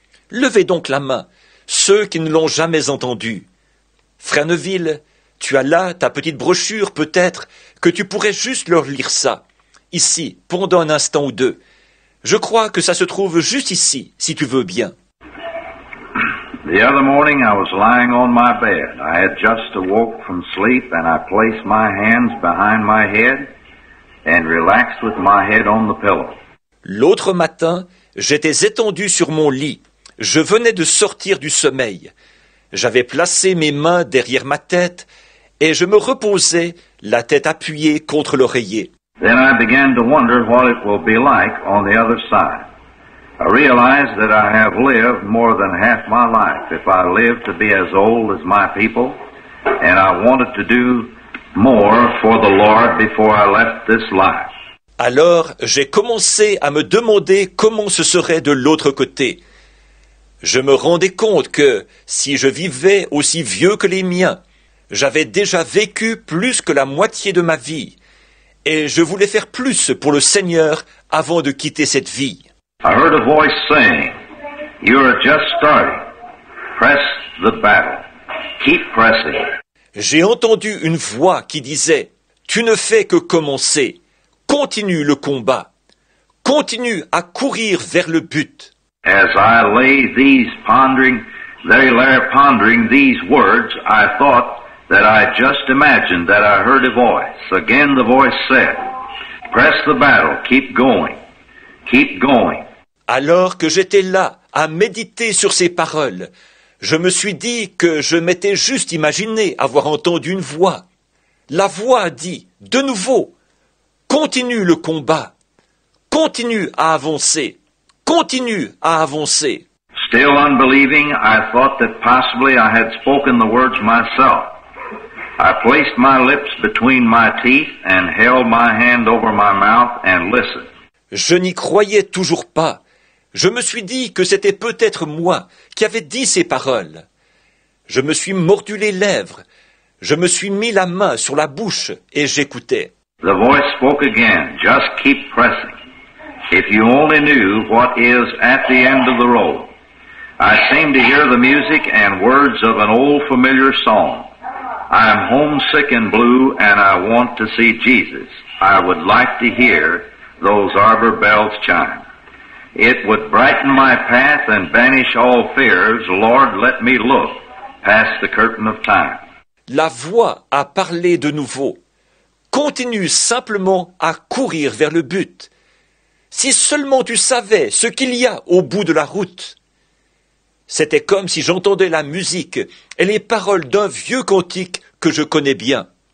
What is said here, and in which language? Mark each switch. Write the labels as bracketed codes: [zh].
[fr] Levez donc la main, ceux qui ne l'ont jamais entendue. Frère Neville, tu as là ta petite brochure, peut-être, que tu pourrais juste leur lire ça, ici, pendant un instant ou deux. Je crois que ça se trouve juste ici, si tu veux bien. [en] The other morning I was lying on my bed. I had just awoke from sleep and I placed my hands behind my head. And relaxed with my head on the pillow. [fr] L'autre matin, j'étais étendu sur mon lit. Je venais de sortir du sommeil. J'avais placé mes mains derrière ma tête et je me reposais, la tête appuyée contre l'oreiller. [en] Then I began to wonder what it will be like on the other side. I realized that I have lived more than half my life if I live to be as old as my people, and I wanted to do more for the Lord before I left this life. [fr] Alors, j'ai commencé à me demander comment ce serait de l'autre côté. Je me rendais compte que si je vivais aussi vieux que les miens, j'avais déjà vécu plus que la moitié de ma vie, et je voulais faire plus pour le Seigneur avant de quitter cette vie. [en] I heard a voice saying, "You are just starting. Press the battle. Keep pressing." [fr] J'ai entendu une voix qui disait, « Tu ne fais que commencer. Continue le combat. Continue à courir vers le but. » [en] As I lay these pondering, they lay pondering these words, I thought, that I just imagined that I heard a voice. Again, the voice said, press the battle, keep going, keep going. [fr] Alors que j'étais là à méditer sur ces paroles, je me suis dit que je m'étais juste imaginé avoir entendu une voix. La voix a dit, de nouveau, continue le combat, continue à avancer, continue à avancer. [en] Still unbelieving, I thought that possibly I had spoken the words myself. I placed my lips between my teeth and held my hand over my mouth and listened. [fr] Je n'y croyais toujours pas. Je me suis dit que c'était peut-être moi qui avais dit ces paroles. Je me suis mordu les lèvres. Je me suis mis la main sur la bouche et j'écoutais. [en] The voice spoke again. Just keep pressing. If you only knew what is at the end of the road. I seem to hear the music and words of an old familiar song. I am homesick and blue and I want to see Jesus. I would like to hear those arbor bells chime. It would brighten my path and banish all fears. Lord, let me look past the curtain of time. [fr] La voix a parlé de nouveau. Continue simplement à courir vers le but. Si seulement tu savais ce qu'il y a au bout de la route. C'était comme si j'entendais la musique et les paroles d'un vieux cantique que je connais bien.